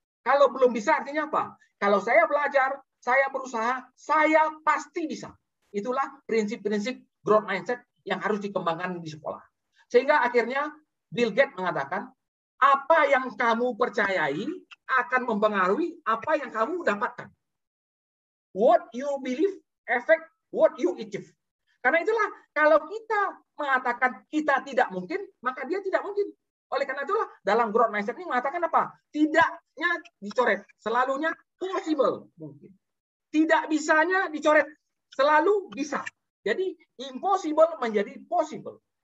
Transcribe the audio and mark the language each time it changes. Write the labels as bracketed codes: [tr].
[id] Kalau belum bisa artinya apa? Kalau saya belajar, saya berusaha, saya pasti bisa. Itulah prinsip-prinsip growth mindset yang harus dikembangkan di sekolah. Sehingga akhirnya Bill Gates mengatakan, apa yang kamu percayai akan mempengaruhi apa yang kamu dapatkan. [en] What you believe affect what you achieve. [id] Karena itulah, kalau kita mengatakan kita tidak mungkin, maka dia tidak mungkin. Oleh karena itulah, dalam growth mindset ini mengatakan apa? Tidaknya dicoret, selalunya possible, mungkin. Tidak bisanya dicoret, selalu bisa. Jadi impossible menjadi possible.